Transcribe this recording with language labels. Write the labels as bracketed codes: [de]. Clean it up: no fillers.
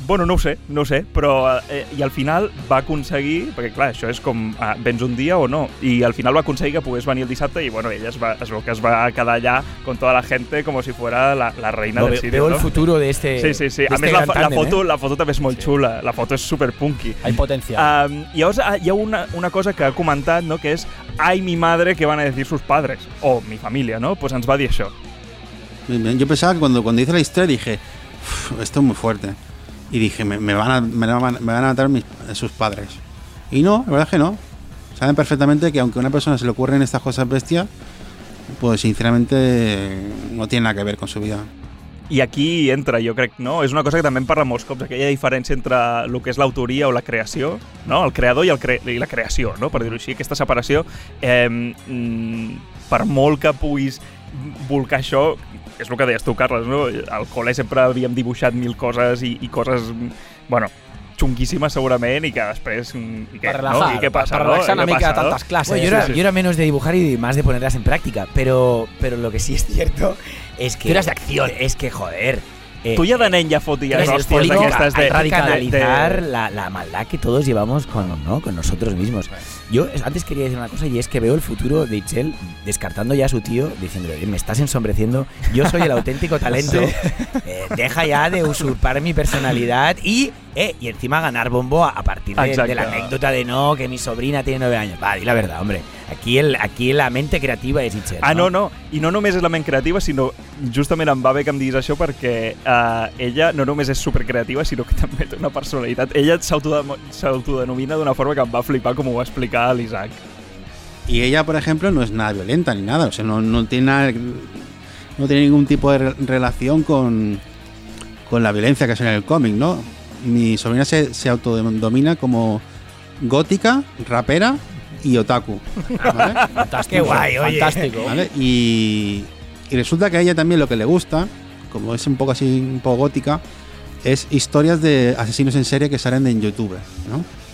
[ca] Bueno, no ho sé, però i al final va aconseguir, perquè clar, això és com, vens un dia o no, i al final va aconseguir que pogués venir el dissabte i bueno, ella es va quedar allà [es] con toda la gente como si fuera la reina del cine. Veo el futuro de este. [ca] Sí, sí, sí. A més, la foto també és molt xula, la foto és superpunky. [es] Hay potencia. [ca] Llavors, hi ha una cosa que ha comentat, no?, que és... [es] Ay, mi madre, que van a decir sus padres o mi familia, ¿no? [ca] Pues ens va dir això. [es] Yo pensaba que cuando hice la historia dije, esto es muy fuerte, y dije, me van a matar sus padres, y no, la verdad es que no. Saben perfectamente que aunque a una persona se le ocurren estas cosas bestias, pues sinceramente no tiene nada que ver con su vida. [ca] I aquí entra, jo crec, no? És una cosa que també en parla molts cops, aquella diferència entre el que és l'autoria o la creació, no? El creador i la creació, no? Per dir-ho així, aquesta separació, per molt que puguis volcar això, és el que deies tu, Carles, no? Al col·le sempre havíem dibuixat mil coses i coses, bueno, xunguíssimes segurament, i que després... Per relaxar una mica de tantes classes. [es] Bueno, yo era menos de dibujar y más de ponerlas en práctica, pero lo que sí es cierto... Es que tú eras de acción, es que joder. Tú ya de nen ya fotías hostias [ca] aquestes [es] de radicalizar la maldad que todos llevamos con, ¿no?, con nosotros mismos. Yo antes quería decir una cosa, y es que veo el futuro de Itzel descartando ya a su tío, diciéndole, me estás ensombreciendo, yo soy el auténtico talento, deja ya de usurpar mi personalidad y encima ganar bombo a partir de la anécdota de no, que mi sobrina tiene 9 años. Va, di la verdad, hombre. [ca] Aquí la mente creativa és Itcher. Ah, no, no. I no només és la ment creativa, sinó justament em va bé que em diguis això perquè ella no només és supercreativa, sinó que també té una personalitat. Ella s'autodenomina d'una forma que em va flipar, com ho va explicar l'Isaac. I ella, per exemple, no és [es] nada violenta ni nada. O sea, [ca] no, no té nada, no té [es] ningún tipo de [ca] relació con la violència que es en el còmic, no? [es] Mi sobrina se autodenomina como gótica, rapera y otaku, ¿vale? Qué guay, oye. Fantástico. ¿Vale? Y resulta que a ella también lo que le gusta, como es un poco así, un poco gótica, es historias de asesinos en serie que salen en YouTube, ¿no?